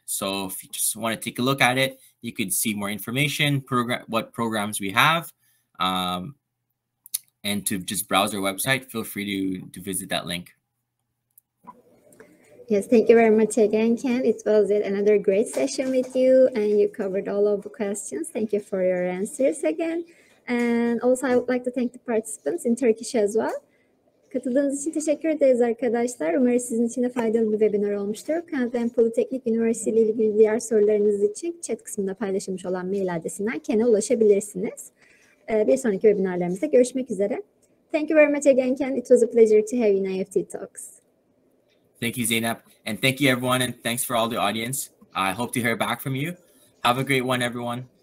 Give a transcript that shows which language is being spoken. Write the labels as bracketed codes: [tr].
[en] So if you just want to take a look at it, you could see more information, what programs we have, and to just browse our website, feel free to visit that link. Yes, thank you very much again, Ken. It was another great session with you, and you covered all of the questions. Thank you for your answers again. And also, I would like to thank the participants in Turkish as well. [tr] Katıldığınız için teşekkür ederiz arkadaşlar. Umarım sizin için de faydalı bir webinar olmuştur. Kanada'nın Politeknik Üniversitesi ile ilgili diğer sorularınız için chat kısmında paylaşılmış olan mail adresinden Ken'e ulaşabilirsiniz. Bir sonraki webinarlarımızda görüşmek üzere. [en] Thank you very much again, Ken. It was a pleasure to have you in IEFT Talks. Thank you, Zainab. And thank you, everyone. And thanks for all the audience. I hope to hear back from you. Have a great one, everyone.